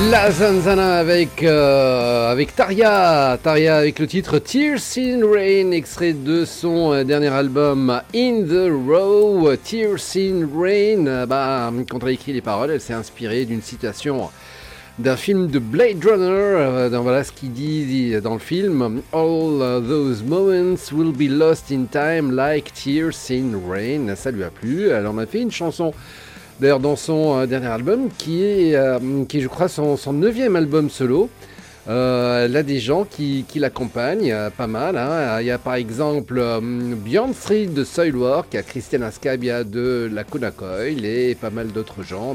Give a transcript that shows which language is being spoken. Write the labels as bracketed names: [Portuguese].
[French] Zanzana avec Taria avec le titre Tears in Rain, extrait de son dernier album In the Row. Tears in Rain, quand elle écrit les paroles, elle s'est inspirée d'une citation d'un film de Blade Runner. Voilà ce qu'il dit dans le film. [English] All those moments will be lost in time like tears in rain. [French] Ça lui a plu. Elle en a fait une chanson. D'ailleurs, dans son dernier album, qui est, je crois, son 9e album solo, elle a des gens qui l'accompagnent, pas mal. Hein. Il y a par exemple Bjorn Frid de Soilwork, il y a Christian Ascabia de Lacuna Coil et pas mal d'autres gens.